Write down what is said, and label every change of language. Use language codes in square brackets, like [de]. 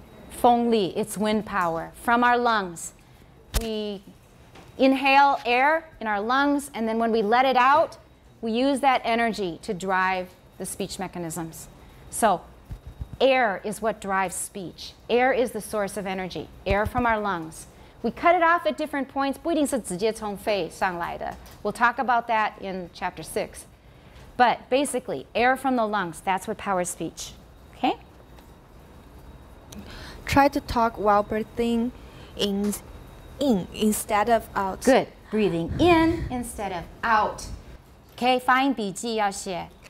[en] 风力, it's wind power from our lungs. We inhale air in our lungs, and then when we let it out, we use that energy to drive the speech mechanisms. So air is what drives speech. Air is the source of energy, air from our lungs. We cut it off at different points. [zh] 不一定是直接从肺上来的. [en] We'll talk about that in chapter 6. But basically, air from the lungs, that's what powers speech. Okay? Try to talk while breathing in instead of out. Good. Breathing in instead of out. Okay, [zh] 发音笔记要写.